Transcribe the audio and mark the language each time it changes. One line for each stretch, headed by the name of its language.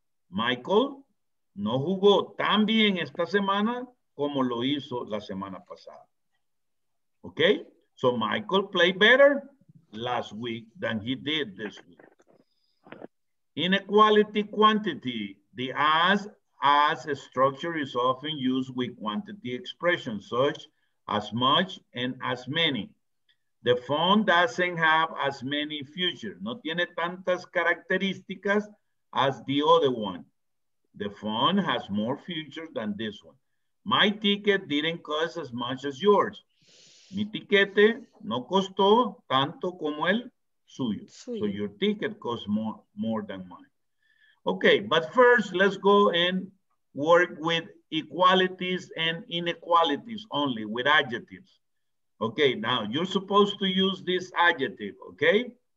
Spanish: Michael no jugó tan bien esta semana como lo hizo la semana pasada.
English: Okay, so Michael played better last week than he did this week. Inequality quantity, the as a structure is often used with quantity expressions such as much and as many. The phone doesn't have as many features.
Spanish: No tiene tantas características
English: as the other one. The phone has more features than this one. My ticket didn't cost as much as yours.
Spanish: Mi tiquete no costó tanto como el suyo.
English: So your ticket costs more than mine. Okay, but first let's go and work with equalities and inequalities only with adjectives. Okay, now you're supposed to use this adjective, okay?